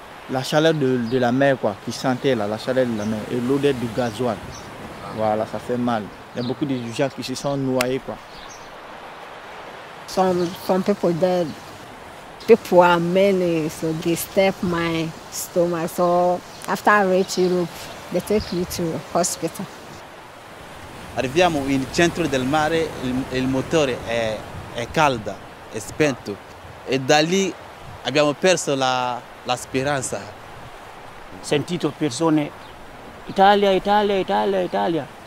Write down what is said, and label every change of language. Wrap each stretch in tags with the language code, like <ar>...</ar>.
<fr>La chaleur de la mer, quoi, qui sentait là, la chaleur de la mer, et l'odeur du gasoil. Voilà, ça fait mal. Il y a beaucoup de gens qui se sont noyés, quoi.</fr> <en>Some people dead. People are many, so they step my stomach. So after I reach Europe, they take me to hospital.</en> <it>Arriviamo in centro del mare, il motore è caldo, è spento. E da lì abbiamo perso la speranza. Sentito persone, Italia, Italia, Italia, Italia.</it>